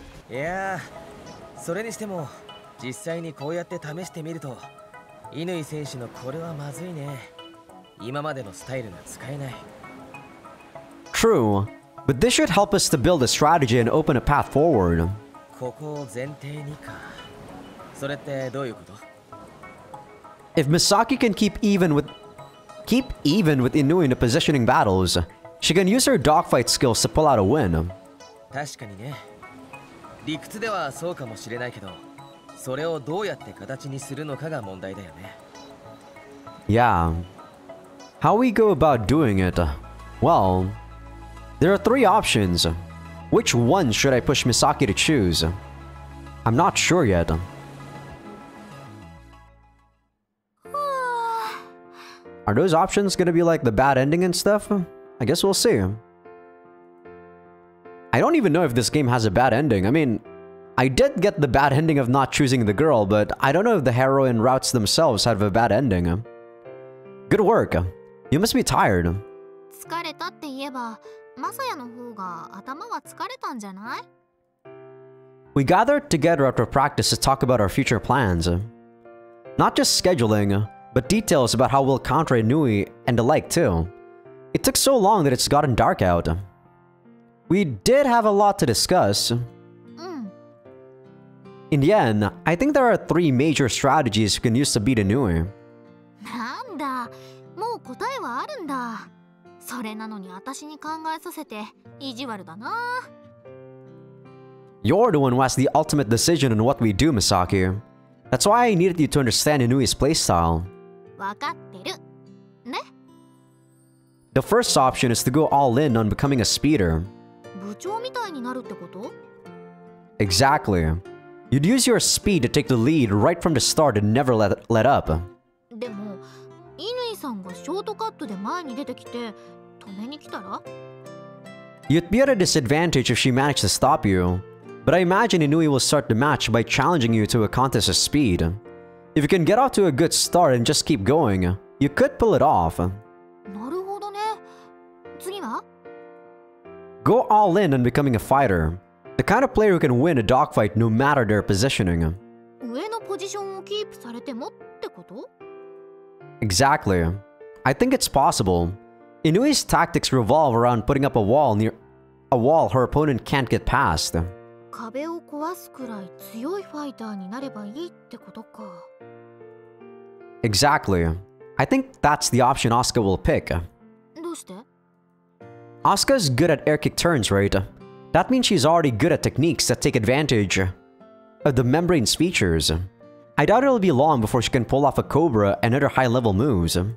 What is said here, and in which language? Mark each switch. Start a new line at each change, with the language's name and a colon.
Japanese: Yeah, それにしても実際にこうやって試してみると、乾選手のこれはまずいね。今までのスタイルが使えない。
English: True, but this should help us to build a strategy and open a path forward.
Japanese: ここを前提にか。それってどういうこと？
English: If Misaki can keep even with Inui in the positioning battles, she can use her dogfight skills to pull out a win.
Japanese: 確かにね。理屈ではそうかもしれないけど、それをどうやって形にするのかが問題だよね。
English: Yeah. How we go about doing it? Well, there are three options. Which one should I push Misaki to choose? I'm not sure yet. Are those options gonna be like the bad ending and stuff? I guess we'll see. I don't even know if this game has a bad ending. I mean, I did get the bad ending of not choosing the girl, but I don't know if the heroine routes themselves have a bad ending. Good work. You must be tired.
Japanese: 疲れたって言えば、マサヤの方が頭は疲れたんじゃない?
English: We gathered together after practice to talk about our future plans. Not just scheduling,But details about how we'll counter Inui and the like too. It took so long that it's gotten dark out. We did have a lot to discuss. In the end, I think there are three major strategies we can use to beat Inui.
Japanese: なんだ、もう答えはあるんだ。それなのに私に考えさせて意地悪だな。
English: You're the one who has the ultimate decision on what we do, Misaki. That's why I needed you to understand Inui's playstyle.
Japanese: わかってる。ね?
English: The first option is to go all in on becoming a speeder.
Japanese: 部長みたいになるってこと?
English: Exactly. You'd use your speed to take the lead right from the start and never let up.
Japanese: でも、乾さんがショートカットで前に出てきて、止めに来たら?
English: You'd be at a disadvantage if she managed to stop you. But I imagine Inui will start the match by challenging you to a contest of speed. If you can get off to a good start and just keep going, you could pull it off.
Japanese: なるほどね。次は?
English: Go all in on becoming a fighter. The kind of player who can win a dogfight no matter their positioning.
Japanese: 上のポジションをキープされてもってこと?
English: Exactly. I think it's possible. Inui's tactics revolve around putting up a wall her opponent can't get past.
Japanese: 壁を壊すくらい強いファイターになればいいってことか。
English: Exactly. I think that's the option Asuka will pick.
Japanese: どうして?
English: Asuka's good at air kick turns, right? That That means she's already good at techniques that take advantage of the membrane's features. I doubt it'll be long before she can pull off a cobra and other high-level moves.